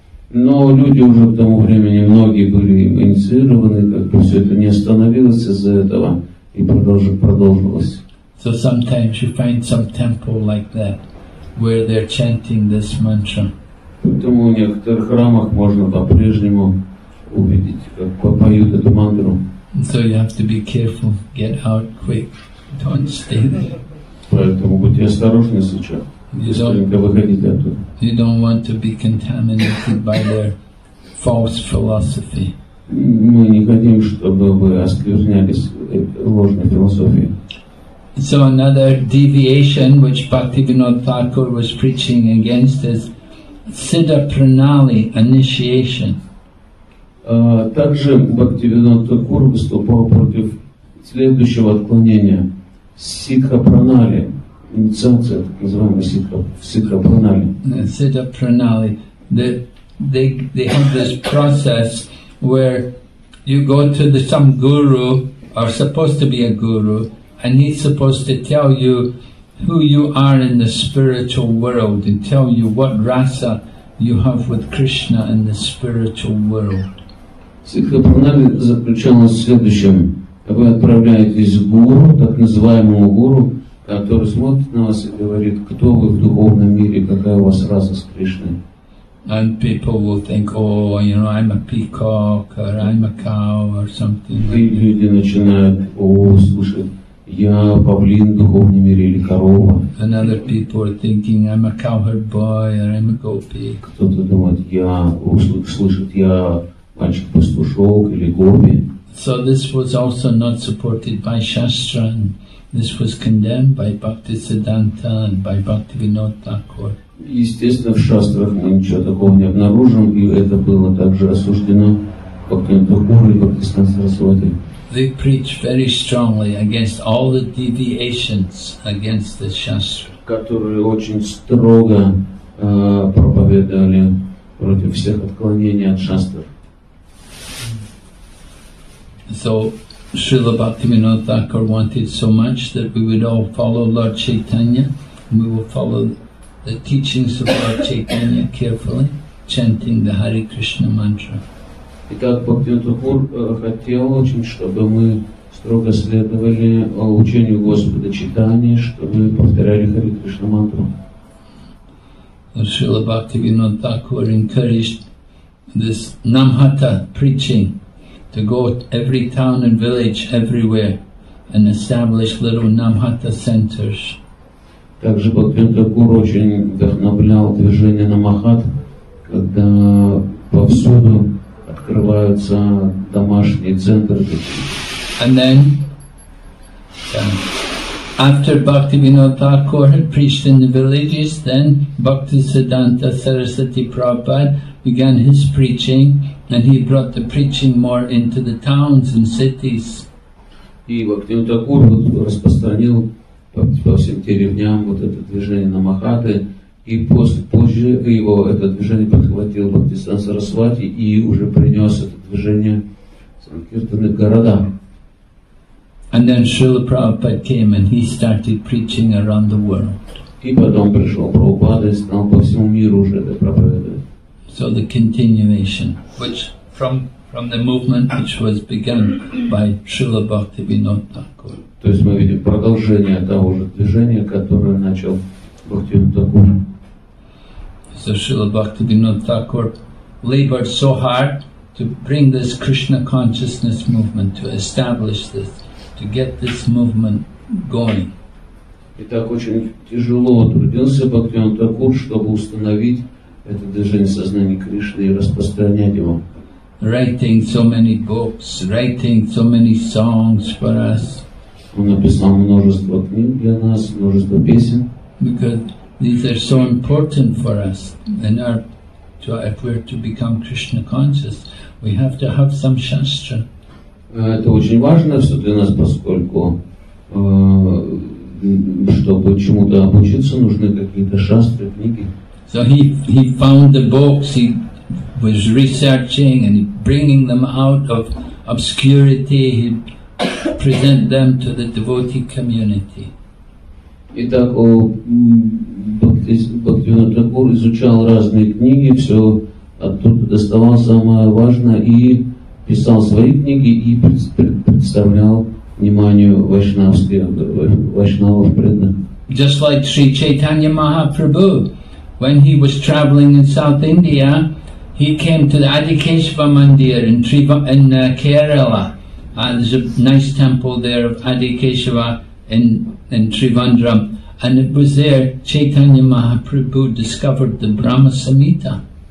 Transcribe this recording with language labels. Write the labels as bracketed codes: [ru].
[ru] Но люди уже к тому времени, многие были инициированы, как бы все это не остановилось из-за этого, и продолжилось. [en] So sometimes you find some temple like that, where they're chanting this mantra. [ru] Поэтому в некоторых храмах можно по-прежнему увидеть, как поют эту мантру. [en] So you have to be careful, get out quick, don't stay there. [ru] Поэтому будьте осторожны сейчас, если не выходите оттуда. [en] You don't want to be contaminated by their false philosophy. [ru] Мы не хотим, чтобы вы осквернялись ложной философией. [en] So another deviation which Bhaktivinoda Thakur was preaching against is Siddha Pranali initiation. [ru] Также Бхактивинода Такур выступал против следующего отклонения Сиддха Пранали, инициация, так называемая Сиддха Пранали. [en] Siddha Pranali. They have this process where you go to some guru, or supposed to be a guru, and he's supposed to tell you who you are in the spiritual world and tell you what rasa you have with Krishna in the spiritual world. [ru] Сиддха Пранали заключалась в следующем. Вы отправляетесь к гуру, так называемому гуру, который смотрит на вас и говорит, кто вы в духовном мире, какая у вас раса с Кришной. [en] And people will think, oh, you know, I'm a peacock or I'm a cow or something. [ru] И люди начинают, слушать. Я павлин в духовном мире или корова. [en] And other people are thinking I'm a cowherd boy or I'm a gopi. [ru] Кто-то думает, я услышит, я мальчик-пастушок или гопи. [en] So this was also not supported by Shastra, and this was condemned by Bhaktisiddhanta and by Bhaktivinoda Thakur. [ru] Естественно, в Шастрах мы ничего такого не обнаружим, и это было также осуждено Бхактивинода Такура и Бхактисиддханта Сарасвати. [en] They preach very strongly against all the deviations against the Shastra. [ru] Которые очень строго проповедовали против всех отклонений от Шастр. [en] So, Srila Bhaktivinoda Thakur wanted so much that we would all follow Lord Chaitanya. We will follow the teachings of Lord Chaitanya carefully, chanting the Hare Krishna mantra. [ru] Итак, Бхактивинода Такур хотел очень, чтобы мы строго следовали учению Господа Чайтаньи, чтобы повторяли Хари Кришна мантру. [en] Шрила Бхактивинода Такур encouraged this Намхата preaching to go to every town and village everywhere and establish little Namhata centers. [ru] Также Бхакти Такура очень вдохновлял движение Намахат, когда повсюду открываются домашние центры. [en] And then, after Bhaktivinoda Thakur had preached in the villages, then Bhaktisiddhanta Sarasvati Prabhupada began his preaching, and he brought the preaching more into the towns and cities. [ru] И Бхактивинода Такур распространил по всем деревням вот это движение Намахаты, и позже его это движение подхватил Бхактисиддханта Сарасвати и уже принес это движение в санкиртаны города. [en] And then Srila Prabhupada came and he started preaching around the world. [ru] И потом пришел Прабхупада и стал по всему миру уже это проповедовать. [en] So the continuation, which from the movement which was begun by Srila Bhaktivinoda Thakur. [ru] То есть мы видим продолжение того же движения, которое начал Бхактивинода Такура. [en] So Srila Bhaktivinoda Thakur labored so hard to bring this Krishna consciousness movement, to establish this, to get this movement going. [ru] И так очень тяжело трудился Бхактивинода Такур, чтобы установить это движение сознания Кришны и распространять его. [en] Writing so many books, writing so many songs for us. [ru] Он написал множество книг для нас, множество песен. [en] Because these are so important for us. And if we're to become Krishna conscious, we have to have some shastra. [ru] Это очень важно все для нас, поскольку чтобы чему-то обучиться, нужны какие-то шастры, книги. [en] So he found the books, he was researching and bringing them out of obscurity, he present them to the devotee community. [ru] Итак, Бхактивинода Такур изучал разные книги, все оттуда доставал самое важное и писал свои книги и представлял вниманию вайшнавов преданных. [en] Just like Sri Chaitanya Mahaprabhu, when he was traveling in South India, he came to the Adikeshva Mandir in Kerala. There's a nice temple there of Adikeshava in Trivandrum, and it was there Chaitanya Mahaprabhu discovered the Brahma Samhita.